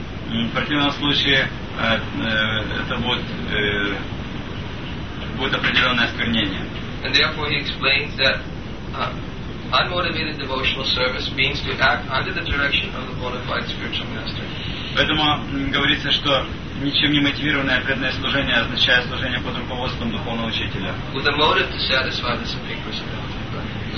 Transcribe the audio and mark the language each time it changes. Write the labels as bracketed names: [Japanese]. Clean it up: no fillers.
[Russian] В противном случае это будет определенное осквернение. [English] And therefore he explains that unmotivated devotional service means to act under the direction of the bona fide spiritual master. [Russian] Поэтому говорится, что ничем не мотивированное преданное служение означает служение под руководством духовного учителя. [English] With a motive to satisfy the Supreme Personality.